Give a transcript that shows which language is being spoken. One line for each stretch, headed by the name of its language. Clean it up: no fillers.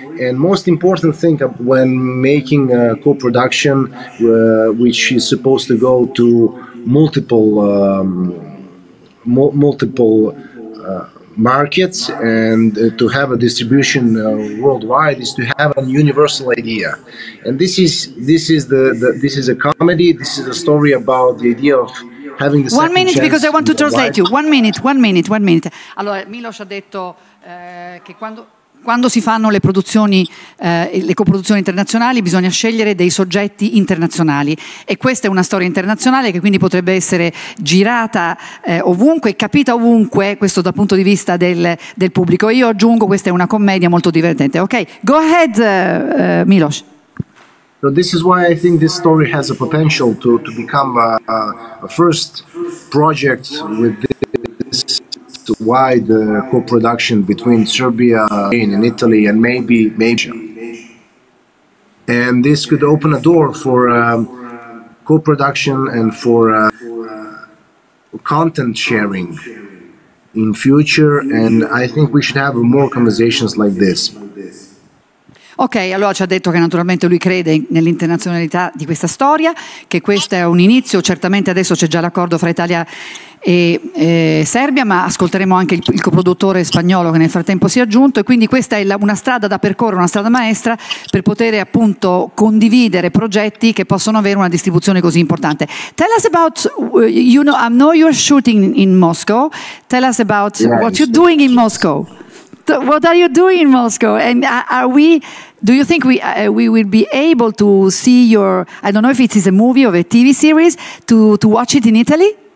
English: And most important thing when making a co-production, which is supposed to go to multiple multiple markets and to have a distribution worldwide, is to have a universal idea. And this is a comedy. This is a story about the idea of having the 1 minute, because I want to translate you. One minute.
Italian: Allora, Milos ha detto che quando si fanno le produzioni, le coproduzioni internazionali, bisogna scegliere dei soggetti internazionali, e questa è una storia internazionale che quindi potrebbe essere girata ovunque, capita ovunque, questo dal punto di vista del pubblico. Io aggiungo, questa è una commedia molto divertente.
English: Ok, go ahead, Milos. So this is why I think this story has a potential to become a first project with this wide co-production between Serbia and Italy and maybe Asia. And this could open a door for co-production and for content sharing in future, and I think we should have more conversations like this.
Italian: Ok, allora ci ha detto che naturalmente lui crede nell'internazionalità di questa storia, che questo è un inizio, certamente adesso c'è già l'accordo fra Italia e Serbia, ma ascolteremo anche il coproduttore spagnolo che nel frattempo si è aggiunto, e quindi questa è una strada da percorrere, una strada maestra per poter appunto condividere progetti che possono avere una distribuzione così importante.
English: Tell us about, you know, I know you're shooting in Moscow, tell us about what you're doing in Moscow. What are you doing in Moscow? And are we? Do you think we will be able to see your? I don't know if it is a movie or a TV series to watch it in Italy.